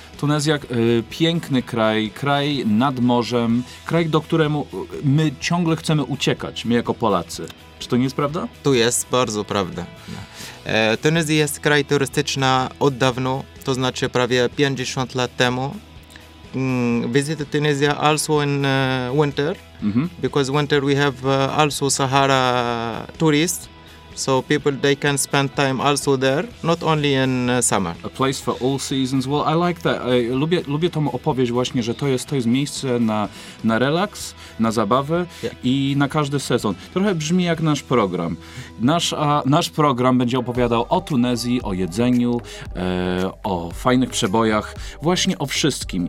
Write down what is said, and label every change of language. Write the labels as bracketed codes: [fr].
[pl] Tunezja, piękny kraj, kraj nad morzem, kraj, do któremu my ciągle chcemy uciekać, my jako Polacy. Czy to nie jest prawda? Tu jest, bardzo prawda. Tunezja jest kraj turystyczny od dawna, to znaczy prawie 50 lat temu. [en] Visit Tunisia also in winter, mm-hmm. because winter we have also Sahara tourists, so people they can spend time also there, not only in summer. A place for all seasons. Well, I like that. [pl] Lubię tą opowieść właśnie, że to jest miejsce na relaks, na zabawę i na każdy sezon. Trochę brzmi jak nasz program. Nasz program będzie opowiadał o Tunezji, o jedzeniu, o fajnych przebojach, właśnie o wszystkim.